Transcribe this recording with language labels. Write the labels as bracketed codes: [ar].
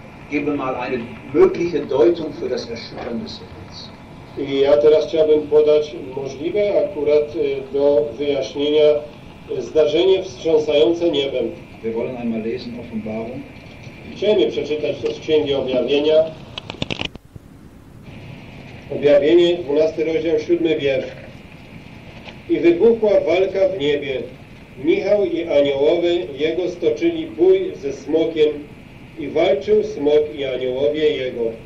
[de] Gebe mal eine mögliche Deutung für das Erschüttern des Himmels. [pl] I ja teraz chciałbym podać możliwe akurat do wyjaśnienia zdarzenie wstrząsające niebem. [de] Wir wollen einmal lesen Offenbarung. [pl] Chcemy przeczytać to z Księgi Objawienia. Objawienie, 12 rozdział, 7 wiersz. I wybuchła walka w niebie. Michał i aniołowie jego stoczyli bój ze smokiem i walczył smok i aniołowie jego.